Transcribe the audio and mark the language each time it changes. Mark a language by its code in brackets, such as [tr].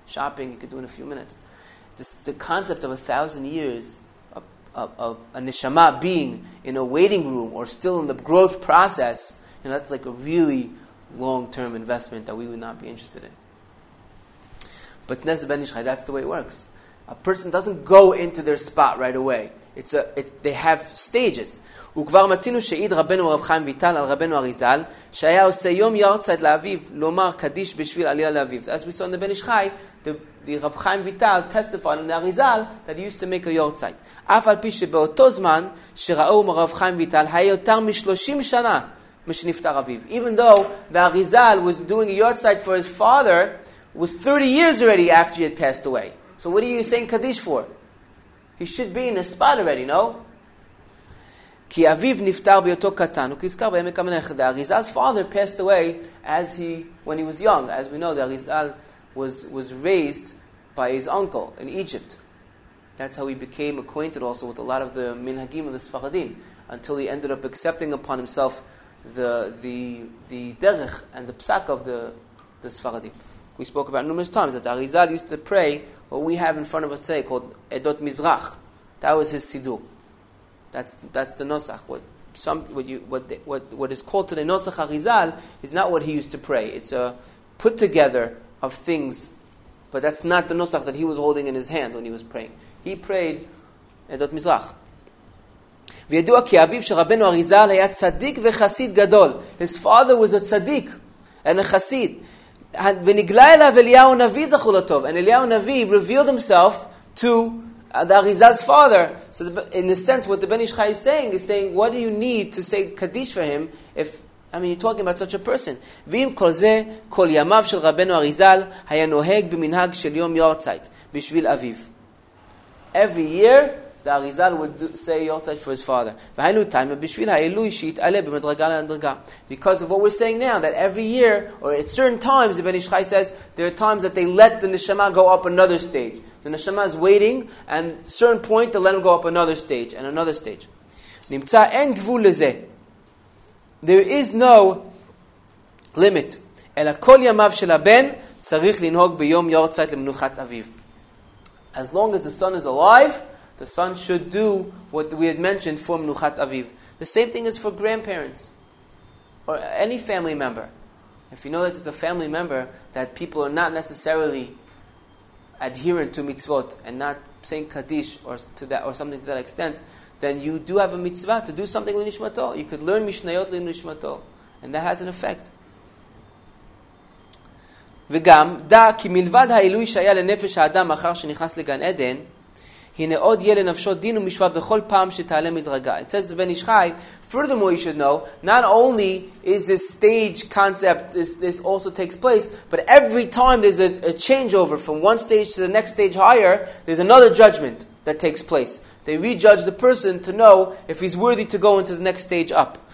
[en] Shopping, you could do in a few minutes. This, the concept of 1,000 years, of a neshama being in a waiting room or still in the growth process, you know, that's like a really long-term investment that we would not be interested in. But Nes Ben Ishchai, that's the way it works. A person doesn't go into their spot right away. They have stages. [he] וכבר מצינו שעיד רבנו רב חיים ויטל על רבנו אריזל שהיה עושה יום יארצייט לאביו לומר קדיש בשביל עלייה לאביו. [en] As we saw in the Ben Ishchai, the רב חיים ויטל testified in the אריזל that he used to make a יארצייט. [he] אף על פי שבאותו זמן שראו מרב חיים ויטל היה יותר מ-30 שנה משנפטר אביו. [en] Even though the אריזל was doing a יארצייט for his father, was 30 years already after he had passed away. So what are you saying Kaddish for? He should be in a spot already, no? [he] כי אביו נפטר ביותו קטן, הוא כזכר בעמק המלך, [en] the Arizal's father passed away when he was young. As we know, the Arizal was raised by his uncle in Egypt. That's how he became acquainted also with a lot of the minhagim of the Sfaradim, until he ended up accepting upon himself the derech and the psak of the Sfaradim. We spoke about numerous times that Arizal used to pray what we have in front of us today called Edot Mizrach. That was his sidur. That's the nosach. What is called today nosach Arizal is not what he used to pray. It's a put together of things, but that's not the nosach that he was holding in his hand when he was praying. He prayed Edot Mizrach. [he] וידוע כי אביו של רבנו אריזל היה צדיק וחסיד גדול. [en] His father was a tzaddik and a chassid. [he] ונגלה אליו אליהו נביא זכור לטוב. [en] And Eliyahu Navi revealed himself to the Arizal's father. So in a sense, what the Ben Ishchai is saying, what do you need to say Kaddish for him if, I mean, you're talking about such a person. [he] ואם כל זה, כל ימיו של רבנו אריזל היה נוהג במנהג של יום יארצייט בשביל אביו. [en] Every year, the Arizal would say yorzeit for his father. [he] והיינו תיימה בשביל האלוי שיתעלה במדרגה לאנדרגה. [en] Because of what we're saying now, that every year, or at certain times, the Ben Ishchai says, there are times that they let the neshama go up another stage. The neshama is waiting, and at a certain point, they let him go up another stage, and another stage. [he] נמצא אין גבול לזה. [en] There is no limit. [he] אלא כל ימיו של הבן צריך לנהוג ביום יורצייט למנוחת אביו. [en] As long as the son is alive, the son should do what we had mentioned for Menuchat Aviv. The same thing is for grandparents or any family member. If you know that it's a family member, that people are not necessarily adherent to mitzvot and not saying Kaddish or something to that extent, then you do have a mitzvah to do something l'nishmato. You could learn Mishnayot l'nishmato. And that has an effect. [he] וגם, דע כי מלבד העילוי שהיה לנפש האדם אחר שנכנס לגן עדן, הנה עוד יהיה לנפשו דין ומשפט בכל פעם שתעלה מדרגה. [en] It says the Ben Ishchai, furthermore you should know, not only is this stage concept, this also takes place, but every time there's a changeover from one stage to the next stage higher, there's another judgment that takes place. They rejudge the person to know if he's worthy to go into the next stage up.